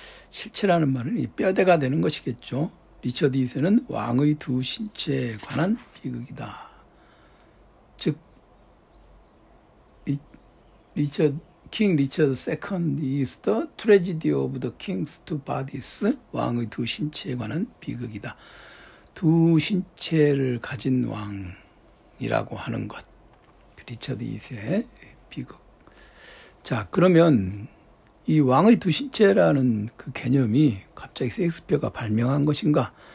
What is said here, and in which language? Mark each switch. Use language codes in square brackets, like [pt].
[ko] 실체라는 말은 이 뼈대가 되는 것이겠죠. 리처드 2세는 왕의 두 신체에 관한 비극이다. 즉 [en] 리처드 킹 리처드 2 is the tragedy of the king's two bodies. [ko] 왕의 두 신체에 관한 비극이다. 두 신체를 가진 왕이라고 하는 것. 리처드 2세의 비극. 자, 그러면 이 왕의 두 신체라는 그 개념이 갑자기 셰익스피어가 발명한 것인가?